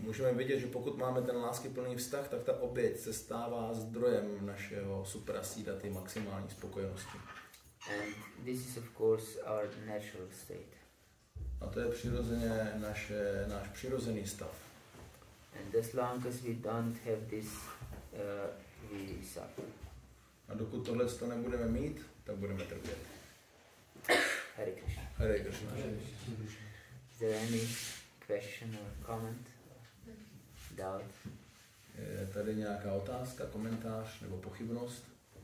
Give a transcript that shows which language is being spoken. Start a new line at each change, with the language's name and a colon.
Czech: Můžeme vidět, že pokud máme ten láskyplný vztah, tak ta oběť se stává zdrojem našeho superseda, ty maximální spokojenosti.
English: And this is of course our natural state.
Czech: A to je přirozeně náš přirozený stav.
English: And as long as we don't have this, we suffer.
Czech: A dokud tohle to nebudeme mít, tak budeme trpět.
Sanskrit: Hare Krishna. Hare Krishna.
English: Is there any question or comment? Doubt?
Czech: Je tady nějaká otázka, komentář nebo pochybnost?